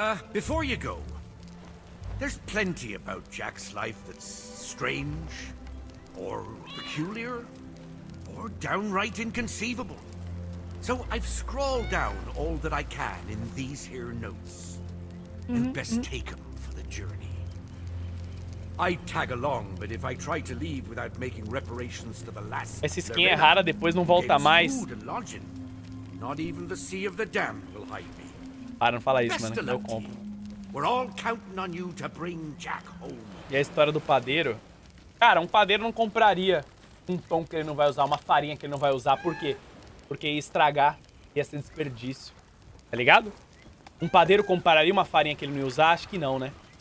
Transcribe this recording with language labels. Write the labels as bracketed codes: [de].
[en] Before you go, there's plenty about Jack's life that's strange, or peculiar, or downright inconceivable. So I've scrawled down all that I can in these here notes. You'd best take them for the journey. I'd tag along, but if I try to leave without making reparations to the last... [pt] Essa skin é rara, depois não volta mais. [en] Not even the Sea of the Dam will hide me. [pt] Para, não fala isso, mano, que eu compro. [en] We're all counting on you to bring Jack home. [pt] E a história do padeiro? Cara, um padeiro não compraria um pão que ele não vai usar, uma farinha que ele não vai usar, por quê? Porque ia estragar, ia ser desperdício. Tá ligado? Um padeiro compraria uma farinha que ele não ia usar? Acho que não, né?